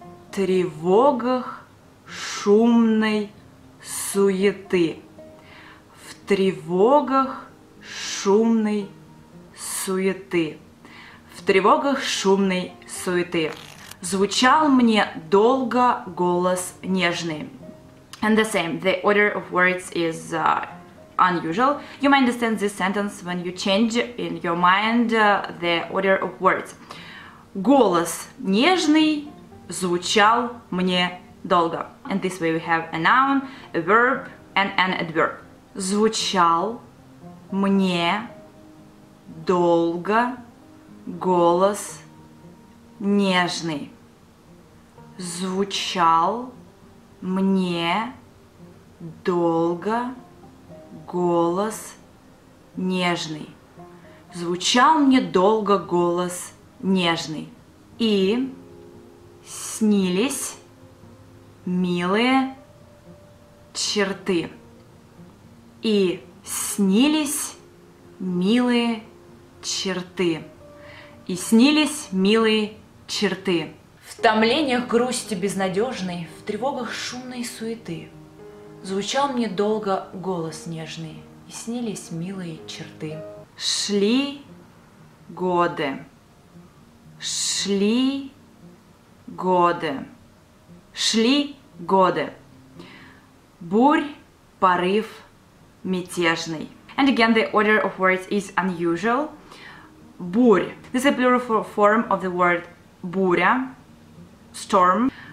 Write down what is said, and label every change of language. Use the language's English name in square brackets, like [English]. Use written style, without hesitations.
[Russian] В тревогах шумной суеты. В тревогах шумной суеты. В тревогах шумной суеты. Звучал мне долго голос нежный. [English] And the same. The order of words is unusual. You might understand this sentence when you change in your mind the order of words. [Russian] Голос нежный звучал мне долго. [English] And this way we have a noun, a verb, and an adverb. [Russian] Звучал мне долго голос нежный. Звучал мне долго голос нежный. Звучал мне долго голос нежный. И снились милые черты. И снились милые черты. И снились милые черты. В В томлениях грусти безнадежной, в тревогах шумной суеты, звучал мне долго голос нежный, и снились милые черты. Шли годы, шли годы, шли годы. Бурь, порыв, мятежный. [English] And again, the order of words is unusual. [Russian] Бурь. [English] This is a plural form of the word буря, storm.